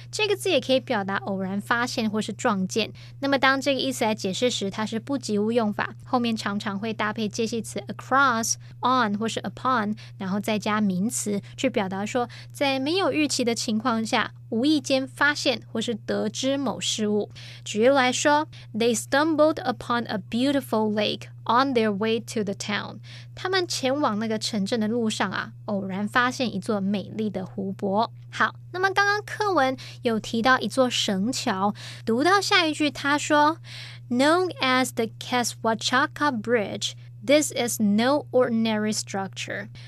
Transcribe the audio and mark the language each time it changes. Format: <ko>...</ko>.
<zh>这个字也可以表达偶然发现或是撞见。那么当这个意思来解释时，它是不及物用法，后面常常会搭配介系词 across, on 或是 upon, 然后再加名词去表达说在没有预期的情况下，无意间发现或是得知某事物。</zh> <en>举例来说 ,They stumbled upon a beautiful lake on their way to the town.</en> <zh>他们前往那个城镇的路上啊，偶然发现一座美丽的湖泊。好，那么刚刚课文有提到一座神桥，读到下一句他说 ,</zh> <en>Known as the Keswachaca Bridge, this is no ordinary structure.</en>